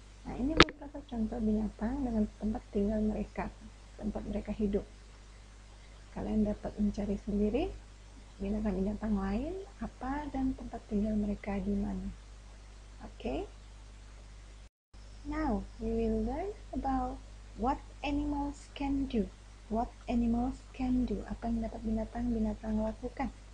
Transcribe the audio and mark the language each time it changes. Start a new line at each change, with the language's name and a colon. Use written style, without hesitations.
Indonesian: Nah, ini beberapa contoh binatang dengan tempat tinggal mereka, tempat mereka hidup. Kalian dapat mencari sendiri binatang-binatang lain apa dan tempat tinggal mereka di mana. Oke.
English: Now, we will learn about what animals can do. What animals can do?
Indonesian: Apa yang dapat binatang-binatang lakukan?